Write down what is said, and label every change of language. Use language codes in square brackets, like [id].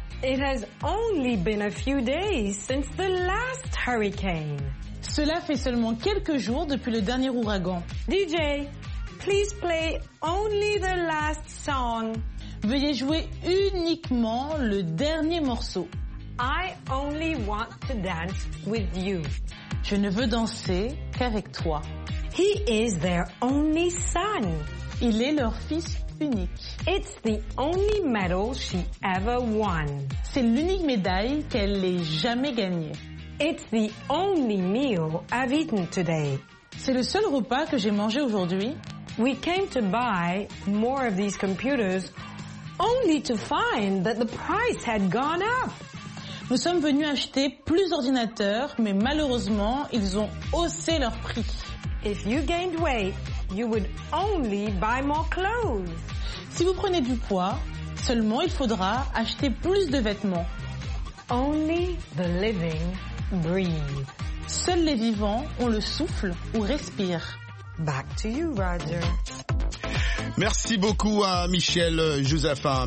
[en] It has only been a few days since the last hurricane. [fr] Cela fait seulement quelques jours depuis le dernier ouragan. [en] DJ, please play only the last song. [fr] Veuillez jouer uniquement le dernier morceau. [en] I only want to dance with you. [fr] Je ne veux danser qu'avec toi. [en] He is their only son. [fr] Il est leur fils unique. [en] It's the only medal she ever won. [fr] C'est l'unique médaille qu'elle ait jamais gagnée. [en] It's the only meal I've eaten today. [fr] C'est le seul repas que j'ai mangé aujourd'hui. [en] We came to buy more of these computers only to find that the price had gone up. [fr] Nous sommes venus acheter plus d'ordinateurs, mais malheureusement, ils ont haussé leur prix. [en] If you gained weight, you would only buy more clothes. [fr] Si vous prenez du poids, seulement il faudra acheter plus de vêtements. [en] Only the living breathe. [fr] Seuls les vivants ont le souffle ou respirent. [en] Back to you, Roger. [fr] Merci beaucoup à Michel Joseph, hein.